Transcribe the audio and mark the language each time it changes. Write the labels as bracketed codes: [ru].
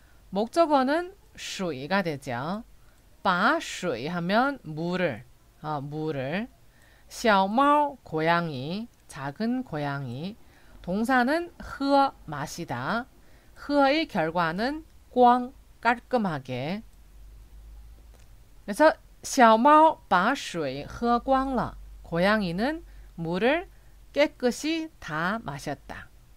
[ko] 목적어는 水가 되죠. 把水 하면 물을, 물을. 小猫 고양이, 작은 고양이. 동사는 喝 마시다. 喝의 결과는 光, 깔끔하게. [zh] 그래서 小猫把水喝光了. [ko] 고양이는 물을 깨끗이 다 마셨다.